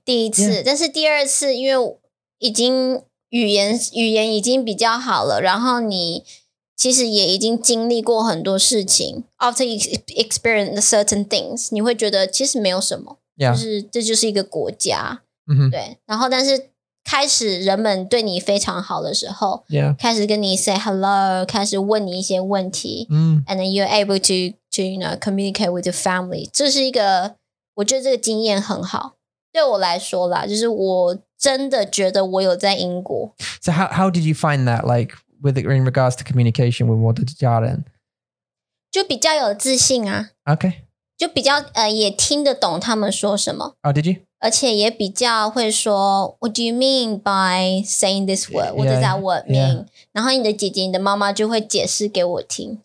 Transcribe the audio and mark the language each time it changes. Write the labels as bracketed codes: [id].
[zh] 第一次,但是第二次因为语言已经比较好了, 然后你 其实也已经经历过很多事情. [en] After you experience certain things, [zh] 你会觉得其实没有什么. [en] Yeah. [zh] 就是这就是一个国家.Mm-hmm. 对。然后但是开始人们对你非常好的时候, [en] yeah. [zh] 开始跟你 [en] say hello, [zh] 开始问你一些问题, [en] and then you're able to you know, communicate with your family. [zh] 这是一个我觉得这个经验很好.对我来说啦, 就是我真的觉得我有在英国. [en] So how did you find that, like, with it, in regards to communication with what did you learn? [zh] 就比较有自信啊. [en] Okay. [zh] 就比较也听得懂他们说什么. [en] Oh, did you? [zh] 而且也比较会说, [en] what do you mean by saying this word? What does that word mean? Yeah. [zh] 然后你的姐姐、你的妈妈就会解释给我听.